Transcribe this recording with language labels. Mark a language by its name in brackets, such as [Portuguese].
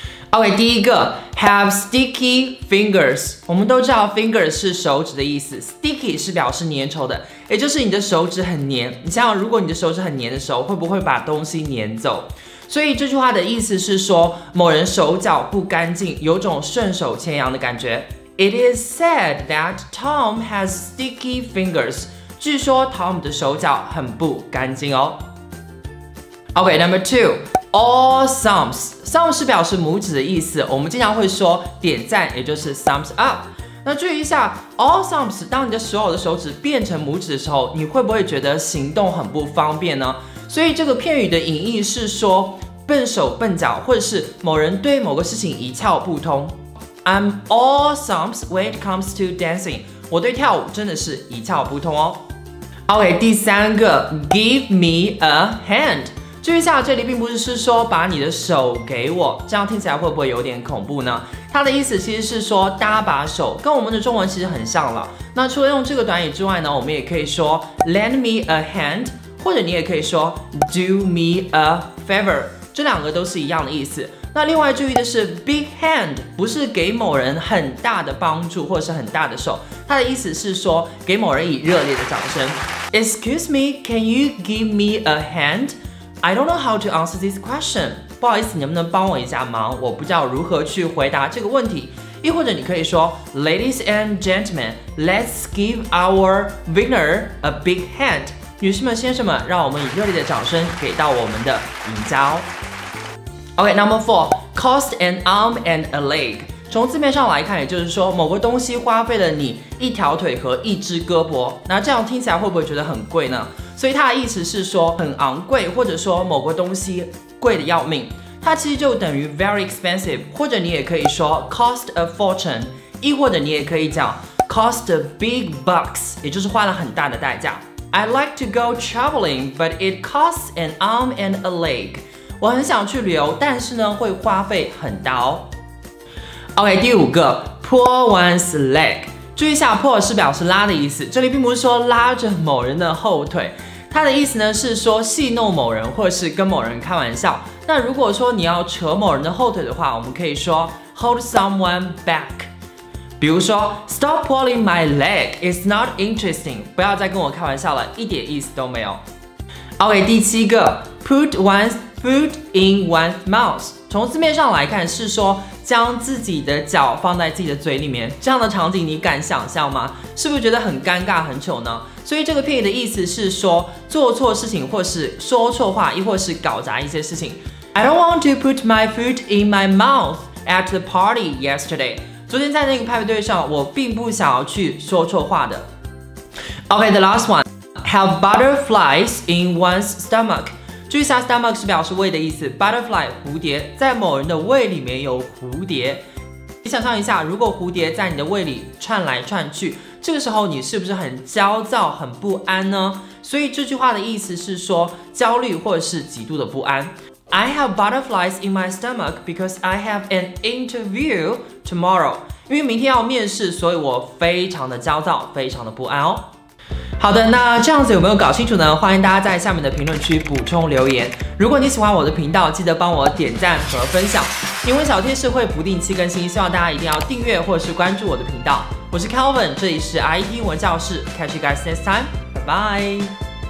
[English] OK， [Chinese] 第一个 [English] ，have sticky fingers。 [Chinese] 我们都知道 ，fingers 是手指的意思 ，sticky 是表示粘稠的，也就是你的手指很粘。你想想，如果你的手指很粘的时候，会不会把东西粘走？所以这句话的意思是说，某人手脚不干净，有种顺手牵羊的感觉。 [English] It is said that Tom has sticky fingers。 [Chinese] 据说 Tom 的手脚很不干净哦。 [English] OK， number two。 All thumbs， [Chinese] thumbs 是表示拇指的意思，我们经常会说点赞，也就是 thumbs up。那注意一下 all thumbs， 当你的所有的手指变成拇指的时候，你会不会觉得行动很不方便呢？所以这个片语的隐喻是说笨手笨脚，或者是某人对某个事情一窍不通。 [English] I'm all thumbs when it comes to dancing， [Chinese] 我对跳舞真的是一窍不通哦。 OK， 第三个 [English] give me a hand。 [Chinese] 注意一下，这里并不是说把你的手给我，这样听起来会不会有点恐怖呢？它的意思其实是说搭把手，跟我们的中文其实很像了。那除了用这个短语之外呢，我们也可以说 [English] lend me a hand， [Chinese] 或者你也可以说 [English] do me a favor， [Chinese] 这两个都是一样的意思。那另外注意的是 big hand 不是给某人很大的帮助或者是很大的手，它的意思是说给某人以热烈的掌声。 [English] Excuse me, can you give me a handI don't know how to answer this question. [Chinese] 不好意思，你能不能帮我一下忙？我不知道如何去回答这个问题。亦或者你可以说 [English] ，Ladies and gentlemen, let's give our winner a big hand. [Chinese] 女士们、先生们，让我们以热烈的掌声给到我们的赢家哦。 [English] OK, number four, cost an arm and a leg. [Chinese] 从字面上来看，也就是说某个东西花费了你一条腿和一只胳膊。那这样听起来会不会觉得很贵呢？所以它的意思是说很昂贵，或者说某个东西贵的要命，它其实就等于 [English] very expensive， [Chinese] 或者你也可以说 [English] cost a fortune， [Chinese] 亦或者你也可以讲 [English] cost a big bucks， [Chinese] 也就是花了很大的代价。 [English] I like to go traveling but it costs an arm and a leg， [Chinese] 我很想去旅游，但是呢会花费很大哦。 [English] OK， 第五个 pull one's leg。 [Chinese] 注意一下 pull 是表示拉的意思，这里并不是说拉着某人的后腿，它的意思呢是说戏弄某人或是跟某人开玩笑。那如果说你要扯某人的后腿的话，我们可以说 [English] hold someone back， [Chinese] 比如说 [English] stop pulling my leg， it's not interesting， [Chinese] 不要再跟我开玩笑了，一点意思都没有。 OK， 第七个 [English] put one's foot in one's mouth， [Chinese] 从字面上来看是说将自己的脚放在自己的嘴里面，这样的场景你敢想象吗？是不是觉得很尴尬很糗呢？所以这个片语的意思是说做错事情，或是说错话，亦或是搞砸一些事情。 [English] I don't want to put my foot in my mouth at the party yesterday， [Chinese] 昨天在那个派对上我并不想要去说错话的。 OK, the last one, [English] have butterflies in one's stomach。 [Chinese] 注意一下 stomach 是表示胃的意思， butterfly 蝴蝶，在某人的胃里面有蝴蝶。你想象一下，如果蝴蝶在你的胃里串来串去，这个时候你是不是很焦躁很不安呢？所以这句话的意思是说焦虑或者是极度的不安。 [English] I have butterflies in my stomach because I have an interview tomorrow， [Chinese] 因为明天要面试，所以我非常的焦躁非常的不安哦。好的，那这样子有没有搞清楚呢？欢迎大家在下面的评论区补充留言。如果你喜欢我的频道，记得帮我点赞和分享。英文小贴士会不定期更新，希望大家一定要订阅或是关注我的频道。我是 Kelvin， 这里是 IET 文教室。 [English] Catch you guys next time. Bye bye.